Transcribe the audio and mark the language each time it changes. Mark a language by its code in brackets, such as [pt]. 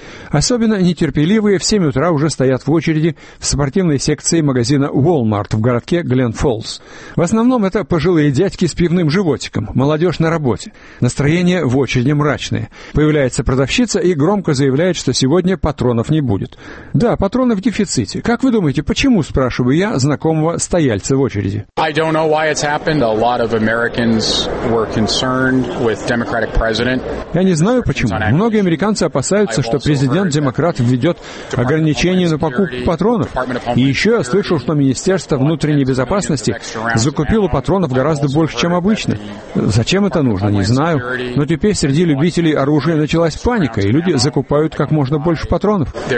[ru] Особенно нетерпеливые в 7 утра уже стоят в очереди в спортивной секции магазина Walmart в городке Гленн-Фоллс. В основном это пожилые дядьки с пивным животиком, молодежь на работе. Настроение в очереди мрачное. Появляется продавщица и громко заявляет, что сегодня патронов не будет. Да, патроны в дефиците. Как вы думаете, почему, спрашиваю я знакомого стояльца в очереди? [en] I don't know why it's happened. A lot of Americans were concerned with Democratic president. [ru] Я не знаю, почему. Многие американцы опасаются, что президент-демократ введет ограничения на покупку патронов. И еще я слышал, что Министерство внутренней безопасности закупило патронов гораздо больше, чем обычно. Зачем это нужно, не знаю. Но теперь среди любителей оружия началась паника, и люди закупают как можно больше патронов.